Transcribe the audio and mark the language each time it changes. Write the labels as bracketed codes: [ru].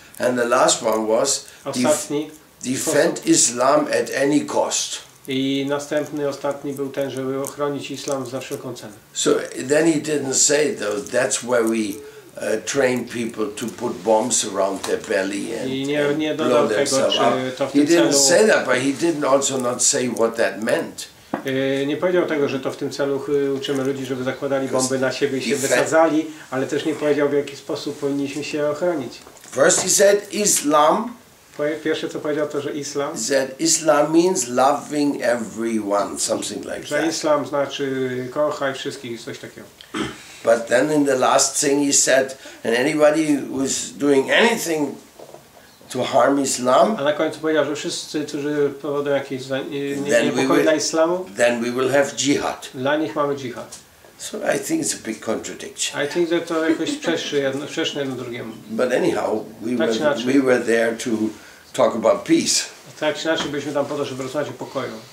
[en] And the last one was defend Islam at any cost. [pl] I następny, ostatni był ten, żeby ochronić Islam za wszelką cenę. [en] So then he didn't say though that's where we train people to put bombs around their belly and blow themselves up. He didn't say that, but he didn't also not say what that meant. [pl] Nie powiedział tego, że to w tym celu uczymy ludzi, żeby zakładali bomby na siebie i się wysadzali, ale też nie powiedział, w jaki sposób powinniśmy się ochronić. [en] First he said Islam. [pl] Pierwsze co powiedział to, że Islam. [en] Said Islam means loving everyone, something like that. [pl] Że Islam znaczy kochaj wszystkich, coś takiego. [en] But then in the last thing he said, and anybody who is doing anything to harm Islam, [pl] a na końcu powiedział, że wszyscy, którzy powodują jakieś niepokoje dla Islamu, [en] then we will have jihad. [pl] Dla nich mamy jihad. [en] So I think it's a big contradiction. I think that [pl] to jakoś sprzeczne jedno drugiemu. [en] But anyhow, we were there to talk about peace. [pl] Tak czy inaczej, byliśmy tam po to, żeby rozmawiać o pokoju.